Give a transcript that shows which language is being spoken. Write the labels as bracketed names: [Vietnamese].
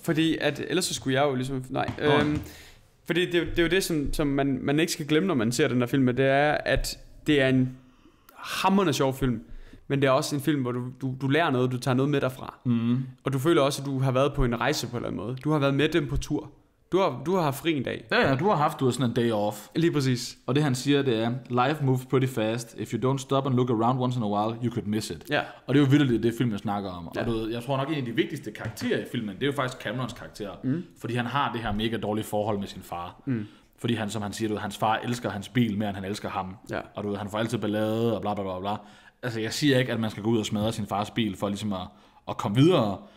[Danish] Fordi at, ellers så skulle jeg jo ligesom, nej. Fordi det er jo det, som man ikke skal glemme, når man ser den her film, det er, at det er en hamrende sjov film. Men det er også en film, hvor du lærer noget, du tager noget med derfra. Mm. Og du føler også, at du har været på en rejse på en eller anden måde. Du har været med dem på tur. Du har haft fri en dag. Ja, du har sådan en day off. Lige præcis. Og det han siger, det er, [English] life moves pretty fast. If you don't stop and look around once in a while, you could miss it. [Danish] Ja. Og det er jo vildt det film, jeg snakker om. Ja. Og du ved, jeg tror nok, en af de vigtigste karakterer i filmen, det er jo faktisk Camerons karakter. Mm. Fordi han har det her mega dårlige forhold med sin far. Mm. Fordi han, som han siger, du ved, hans far elsker hans bil mere, end han elsker ham. Ja. Og du ved, han får altid ballade og bla bla bla bla. Altså, jeg siger ikke, at man skal gå ud og smadre sin fars bil for ligesom at komme videre.